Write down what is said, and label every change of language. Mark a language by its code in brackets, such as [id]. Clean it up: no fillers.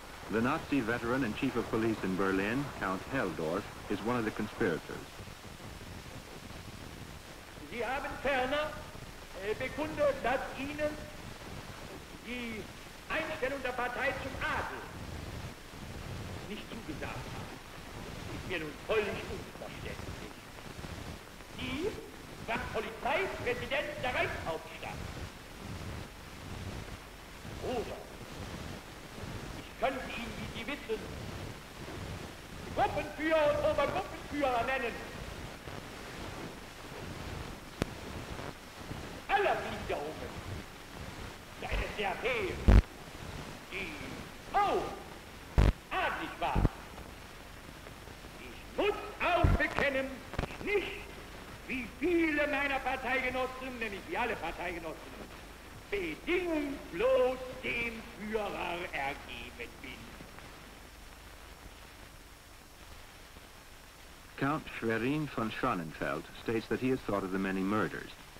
[en] The Nazi veteran and chief of police in Berlin, Count Helldorf, is one of the conspirators. [de] Sie haben ferner bekundet, dass Ihnen die Einstellung der Partei zum Adel nicht zugesagt hat. Ist mir nun völlig unverständlich. Sie waren Polizeipräsident der Reichshauptstadt. Oder ich könnte Ihnen, wie Sie wissen, Gruppenführer und Obergruppenführer nennen. Aller Gliederungen der NSDAP, die auch adlig war. Ich muss auch bekennen, nicht wie viele meiner Parteigenossen, nämlich wie alle Parteigenossen, bedingungslos dem Führer ergeben bin. [en] Count Schwerin von Schönenfeld states that he has thought of the many murders.